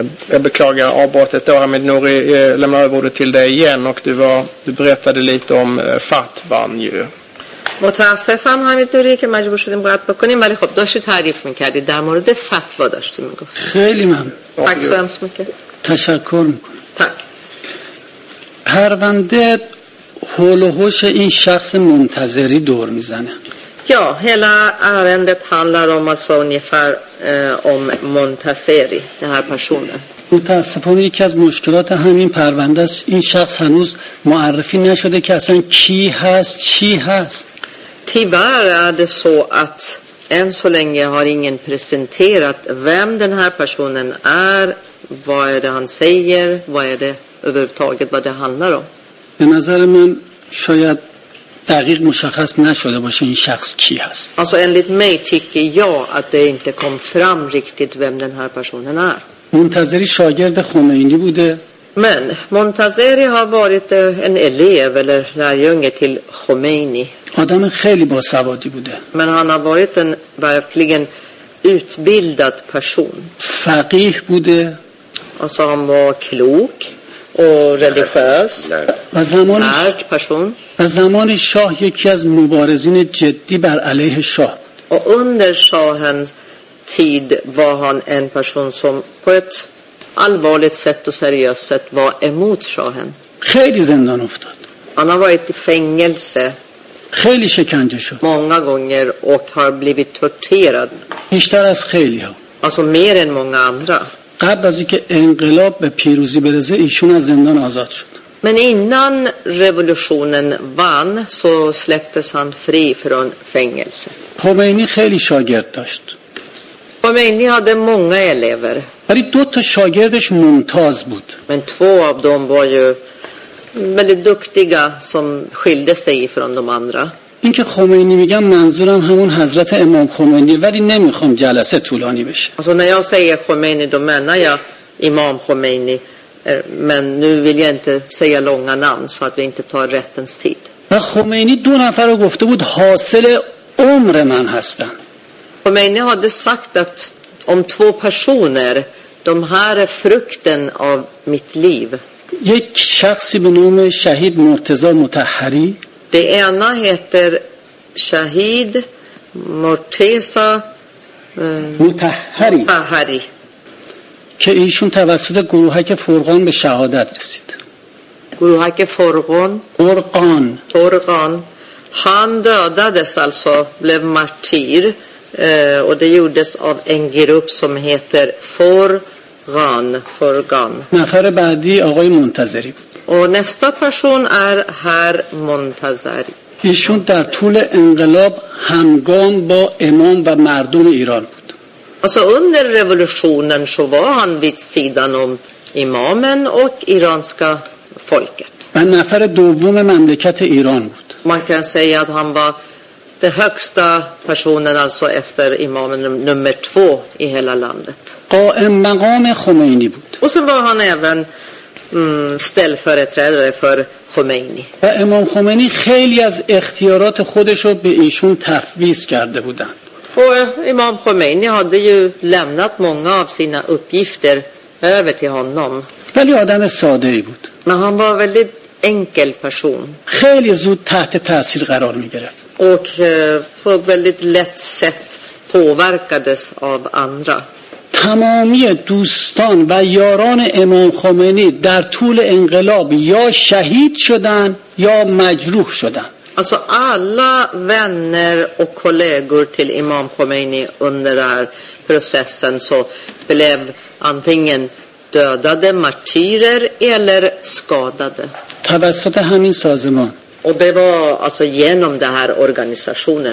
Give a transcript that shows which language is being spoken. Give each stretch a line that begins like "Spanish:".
Swedish: Jag beklagar avbrottet då, Hamid Nouri, lämnar över ordet till dig igen, och du berättade lite om fatvan ju.
Persian: متاسفم Hamid Nouri که مجبور شدیم قطع بکنیم ولی خب داشتی تعریف میکردی در مورد فتوا داشتی میگفت. خیلی ممنون. تشکرم سمکه. تشکر میکنم.
Swedish: تاک.
Persian: پرونده هول و هوش این شخص منتظری دور میزنه.
Swedish: Ja, hela ärendet handlar om alltså ungefär om Montazeri, den här personen.
Persian: متاسفانه یکی از مشکلات همین پرونده است این شخص هنوز معرفی نشده که اصلا کی هست چی هست.
Swedish: Tyvärr är det så att än så länge har ingen presenterat vem den här personen är, vad är det han säger, vad är det överhuvudtaget vad det handlar om.
Persian: به نظر من شاید دقیق مشخص نشده باشه این شخص کی هست.
Swedish: Alltså enligt mig tycker jag att det inte kom fram riktigt vem den här personen är.
Persian: منتظری شاگرد خمینی بوده.
Swedish: Men Montazeri har varit en elev eller lärjunge till Khomeini.
Persian: آدم خیلی باسوادی بوده.
Swedish: Men han har varit en verkligen utbildad person.
Persian: فقیه بوده.
Swedish: Alltså han var klok. Och religiös. Närk person.
Persian: و زمان شاه یکی از مبارزین جدی بر علیه شاه.
Swedish: و under شاهنز tid var han en person som på ett allvarligt sätt och seriöst sätt var emot شاهن.
Persian: خیلی زندان افتاد.
Swedish: Han har varit i fängelse.
Persian: خیلی شکنجه شد.
Swedish: Många gånger och har blivit torterad.
Persian: بیشتر از خیلی ها.
Swedish: Alltså mer än många andra.
Persian: قبل از اینکه انقلاب به پیروزی برسه ایشون از زندان آزاد شد.
Swedish: Men innan revolutionen vann så släpptes han fri från fängelset.
Persian: Khomeini خیلی شاگرد داشت.
Swedish: Khomeini hade många elever.
Persian: ولی دو تا شاگردش ممتاز بود.
Swedish: Men två av dem var ju väldigt duktiga som skilde sig från de andra.
Persian: اینکه خمینی میگم منظورم همون حضرت امام خمینی، ولی نمیخوام جلسه طولانی بشه.
Swedish: Alltså när jag säger Khomeini då menar jag Imam Khomeini. Men nu vill jag inte säga långa namn så att vi inte tar rättens tid.
Persian: Khomeini دو نفر رو گفته بود حاصل عمر من هستن.
Swedish: Khomeini hade sagt att om två personer, de här är frukten av mitt liv.
Persian: یک شخصی به نام شهید مرتضی مطهری.
Swedish: Det ena heter Shahid Morteza Mutahhari.
Persian: که ایشون توسط گروهک فرقان به شهادت رسید. گروهک فرقان. فرقان.
Swedish: Han dödades alltså, blev martyr. Och det gjordes av en grupp som heter Forgan. Forgan.
Persian: نفر بعدی آقای منتظری بود.
Swedish: Och nästa person är herr Montazeri.
Persian: ایشون در طول انقلاب همگام با امام و مردم ایران بود.
Swedish: Alltså under revolutionen så var han vid sidan om imamen och iranska folket.
Persian: و نفر دوم مملکت ایران بود.
Swedish: Man kan säga att han var den högsta personen alltså efter imamen nummer två i hela landet.
Persian: قائم مقام خمینی بود.
Swedish: Och sen var han även ställföreträdare för Khomeini.
Persian: و امام خمینی خیلی از اختیارات خودش رو به ایشون تفویض کرده بودند.
Swedish: Och Imam Khomeini hade ju lämnat många av sina uppgifter över till honom.
Persian: ولی آدم ساده ای بود.
Swedish: Men han var väldigt enkel person.
Persian: خیلی زود تحت تأثیر قرار می گرفت.
Swedish: Och på väldigt lätt sätt påverkades av andra.
Persian: تمامی دوستان و یاران امام خمینی در طول انقلاب یا شهید شدن یا مجروح شدن.
Swedish: Alltså alla vänner och kollegor till Imam Khomeini under den här processen så blev antingen dödade martyrer eller skadade.
Persian: توسط همین سازمان.
Swedish: Och det var alltså genom den här organisationen.